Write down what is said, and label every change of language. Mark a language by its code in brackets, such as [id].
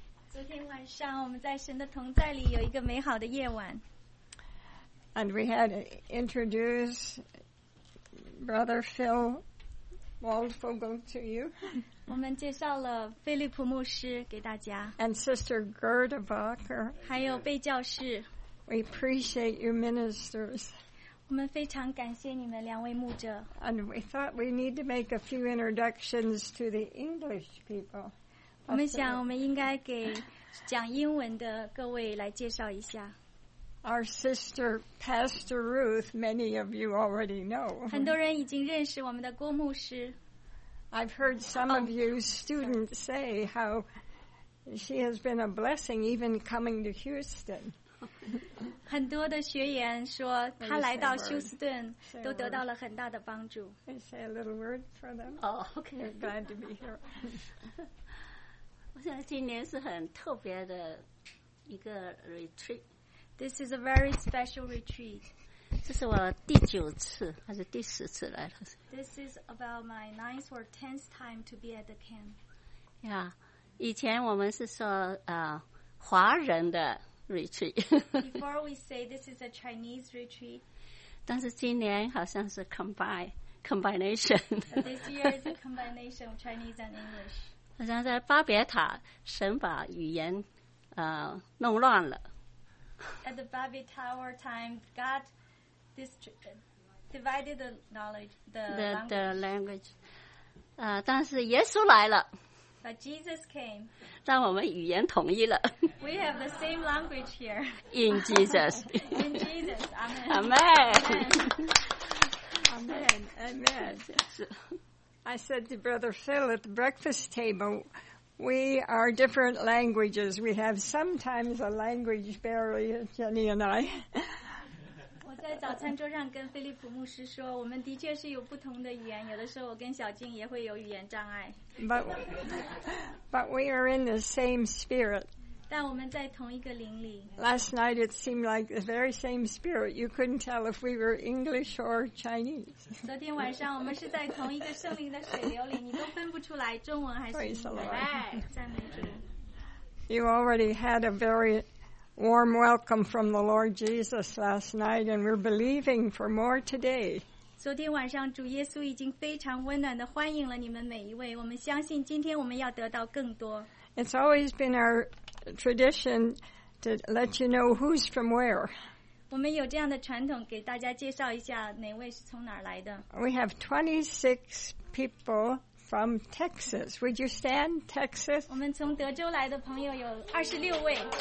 [zh] 昨天晚上我们在神的同在里有一个美好的夜晚。 [en] And we had to introduce Brother Phil Waldfogel to you. [zh] 我们介绍了菲利普牧师给大家。 [en] And Sister Gerda Bacher. [zh] 还有贝教士。 [en] We appreciate you ministers. [zh] 我们非常感谢你们两位牧者。 [en] And we thought we need to make a few introductions to the English people. [zh] 我们想我们应该给讲英文的各位来介绍一下。 [en] Our sister, Pastor Ruth, many of you already know. [zh] 很多人已经认识我们的郭牧师。 [en] I've heard some of you students say how she has been a blessing even coming to Houston. [zh] 很多的学员说她来到休斯顿都得到了很大的帮助。 [en] Can you say a little word for them? Oh, okay. We're glad to be here. [zh] 我想今年是很特别的一个 retreat. [en] This is a very special retreat. [zh] 这是我第九次还是第十次来了。 [en] This is about my ninth or tenth time to be at the camp. [zh] Yeah, 以前我们是说华人的 retreat. [en] Before we say this is a Chinese retreat. [zh] 但是今年好像是 combination. [en] This year is a combination of Chinese and English. [zh] 好像在巴别塔神把语言弄乱了。 [en] At the Babel Tower time, God divided the knowledge, the language. [zh] 但是耶稣来了。 [en] But Jesus came. [zh] 让我们语言统一了。 [en] We have the same language here. In Jesus. In Jesus. Amen. Amen. Amen. Amen. I said to Brother Phil at the breakfast table, we are different languages. We have sometimes a language barrier, Jenny and I. [zh] 我在早餐桌上跟菲利普牧师说，我们的确是有不同的语言，有的时候我跟小静也会有语言障碍。 [en] But we are in the same spirit. [zh] 但我们在同一个灵里。 [en] Last night it seemed like the very same spirit. You couldn't tell if we were English or Chinese. [zh] 昨天晚上我们是在同一个圣灵的水流里，你都分不出来中文还是英语。 [en] Praise the Lord. [zh] 赞美主。 [en] You already had a very warm welcome from the Lord Jesus last night, and we're believing for more today. [zh] 昨天晚上主耶稣已经非常温暖地欢迎了你们每一位，我们相信今天我们要得到更多。 [en] It's always been our tradition to let you know who's from where. [zh] 我们有这样的传统，给大家介绍一下哪位是从哪儿来的。 [en] We have 26 people from Texas. Would you stand, Texas? [zh] 我们从德州来的朋友有26位。